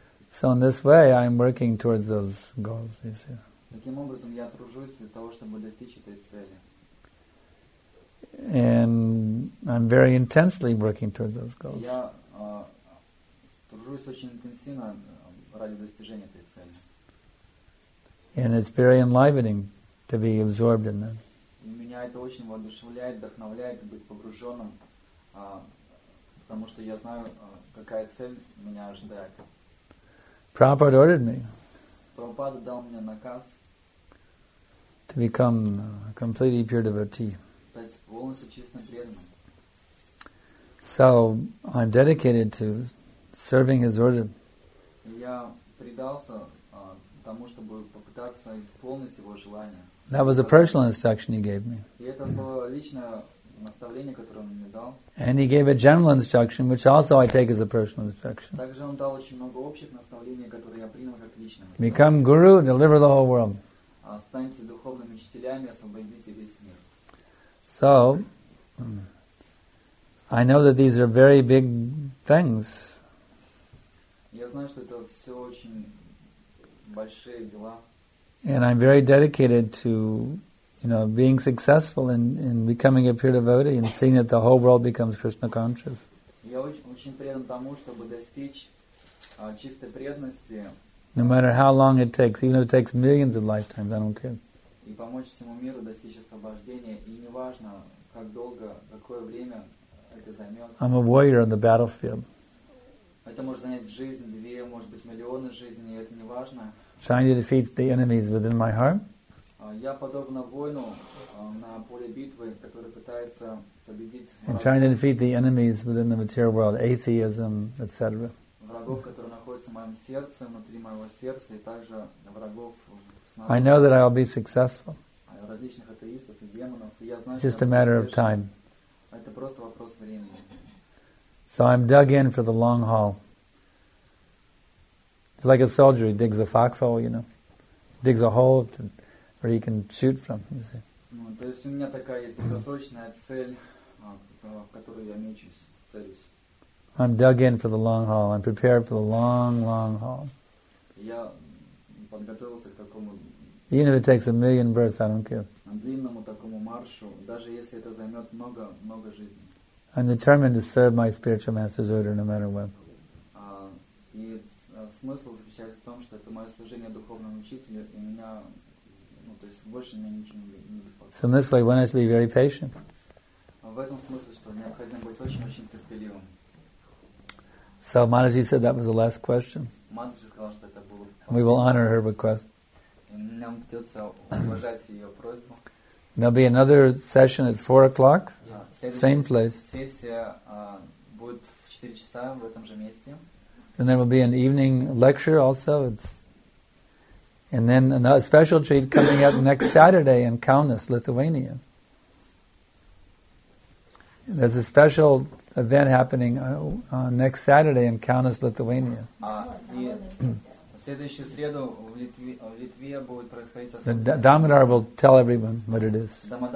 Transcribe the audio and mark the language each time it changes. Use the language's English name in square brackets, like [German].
[English] So in this way, I'm working towards those goals, you see. [Russian] Таким образом, я тружусь для того, чтобы достичь этой цели. [English] And I'm very intensely working towards those goals. [Russian] Я тружусь очень интенсивно ради достижения этой цели. [English] And it's very enlivening to be absorbed in that. [Russian] И меня это очень воодушевляет, вдохновляет быть погруженным, потому что я знаю, какая цель меня ожидает. [English] Prabhupada ordered me. [Russian] Prabhupada дал мне наказ [English] to become a completely pure devotee. [Russian] Стать полностью чистым преданным. [English] So I'm dedicated to serving his order. [Russian] Я предался тому, чтобы попытаться исполнить его желание. [English] That was a personal instruction he gave me. [Russian] И это было личное наставление, которое он мне дал. [English] And he gave a general instruction, which also I take as a personal instruction. [Russian] Также он дал очень много общих наставлений, которые я принял как личное наставление. [English] Become guru, deliver the whole world. [Russian] Станьте духовными учителями, освободите весь мир. [English] So, I know that these are very big things. [Russian] Я знаю, что это все очень большие дела. [English] And I'm very dedicated to, you know, being successful in becoming a pure devotee and seeing that the whole world becomes Krishna conscious. [Russian] Я очень предан тому, чтобы достичь чистой преданности. [English] No matter how long it takes, even if it takes millions of lifetimes, I don't care. [Russian] И помочь всему миру достичь освобождения, и неважно, как долго, какое время это займет. [English] I'm a warrior on the battlefield. [Russian] Это может занять жизнь, две, может быть, миллионы жизней, это неважно. [English] Trying to defeat the enemies within my heart. [Russian] Я подобно воину на поле битвы, который пытается победить врагов. [English] And trying to defeat the enemies within the material world, atheism, etc. [Russian] Врагов, которые находятся в моем сердце, внутри моего сердца, и также врагов. [English] I know that I'll be successful. [Russian] Различных атеистов и демонов. Я знаю, [English] it's just a matter of time. [Russian] Это просто вопрос времени. [English] So I'm dug in for the long haul. It's like a soldier, he digs a foxhole, you know. digs a hole to, where he can shoot from. You see. [Russian] Ну, то есть у меня такая есть долгосрочная цель, в которую я мечусь, целюсь. [English] I'm dug in for the long haul. I'm prepared for the long, long haul. [Russian] Я подготовился к такому. [English] Even if it takes a million births, I don't care. [Russian] На длинному такому маршу, даже если это займет много, много жизни. [English] I'm determined to serve my spiritual master's order no matter what. [Russian] И смысл заключается в том, что это мое служение духовному учителю, и меня, ну, то есть больше меня ничего не беспокоит. [English] So in this way, one has to be very patient. [Russian] В этом смысле, что необходимо быть очень-очень терпеливым. [English] So Mataji said that was the last question. [Russian] Mataji сказал, что это было. [English] We will honor her request. [Russian] Нам придется уважать ее просьбу. [English] There'll be another session at 4 o'clock, same place. [Russian] Сессия будет в 4 часа в этом же месте. [English] And there will be an evening lecture also. It's, and then a special treat coming up next Saturday in Kaunas, Lithuania. There's a special event happening next Saturday in Kaunas, Lithuania. The Damodar will tell everyone what it is.